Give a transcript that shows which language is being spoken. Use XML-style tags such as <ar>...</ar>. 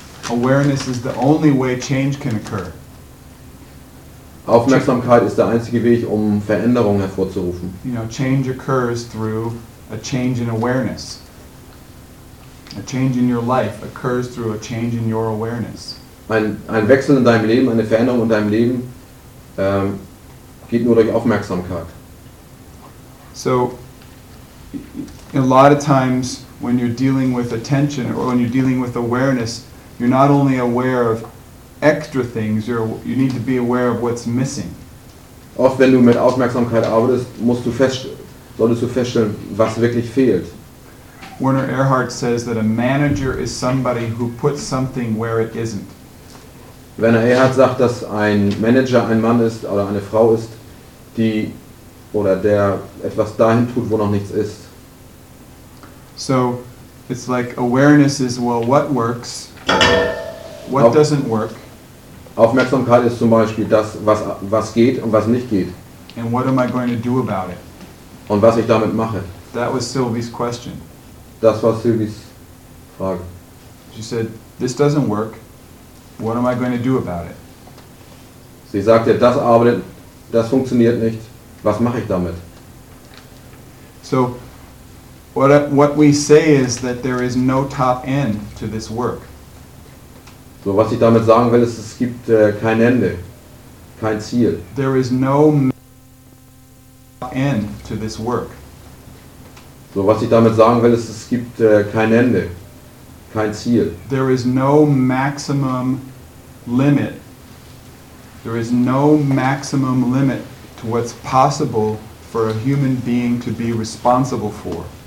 <en>Awareness is the only way change can occur.</en> <de>Aufmerksamkeit ist der einzige Weg, um Veränderungen hervorzurufen.</de> <en>You know, change occurs through a change in awareness. A change in your life occurs through a change in your awareness.</en> <de>Ein Wechsel in deinem Leben, eine Veränderung in deinem Leben, geht nur durch Aufmerksamkeit.</de> <en>So, a lot of times when you're dealing with attention or when you're dealing with awareness, you're not only aware of extra things, you need to be aware of what's missing.</en> <de>Oft wenn du mit Aufmerksamkeit arbeitest, solltest du feststellen, was wirklich fehlt.</de> <en>Werner Erhard says that a manager is somebody who puts something where it isn't.</en> <de>Werner Erhard sagt, dass ein Manager ein Mann ist oder eine Frau ist, die oder der etwas dahin tut, wo noch nichts ist.</de> <en>So, it's like awareness is, well, what works, what doesn't work.</en> <de>Aufmerksamkeit ist zum Beispiel das, was geht und was nicht geht.</de> <en>And what am I going to do about it?</en> <de>Und was ich damit mache.</de> <en>That was Sylvie's question.</en> <de>Das war Sylvie's Frage.</de> <en>She said, this doesn't work. What am I going to do about it?</en> <de>Sie sagte, das arbeitet, das funktioniert nicht. Was mache ich damit?</de> <en>So, what we say is that there is no top end to this work.</en> <de>So, was ich damit sagen will, ist, es gibt kein Ende, kein Ziel.</de> <en>There is no top end to this work.</en> <de>So, was ich damit sagen will, ist, es gibt kein Ende, kein Ziel.</de> <en>There is no maximum limit. There is no maximum limit to what's possible for a human being to be responsible for.</en>